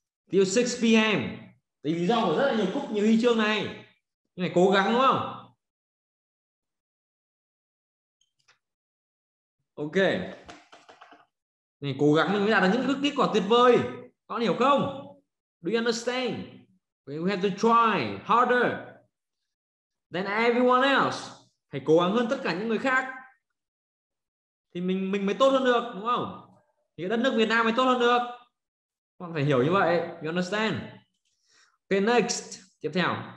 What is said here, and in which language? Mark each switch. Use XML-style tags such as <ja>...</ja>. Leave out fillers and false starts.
<en>till 6 p.m.</en> <vi>Vì lý do của rất là nhiều cúp, nhiều huy chương này. Nhưng này cố gắng đúng không? Ok. Mình cố gắng mình mới đạt được những kết quả tuyệt vời. Có hiểu không?</vi> <en>Do you understand? We have to try harder than everyone else.</en> <vi>Phải cố gắng hơn tất cả những người khác. Thì mình mới tốt hơn được, đúng không? Thì đất nước Việt Nam mới tốt hơn được. Các bạn phải hiểu như vậy.</vi> <en>You understand? Ok, next.</en> <vi>Tiếp theo.</vi>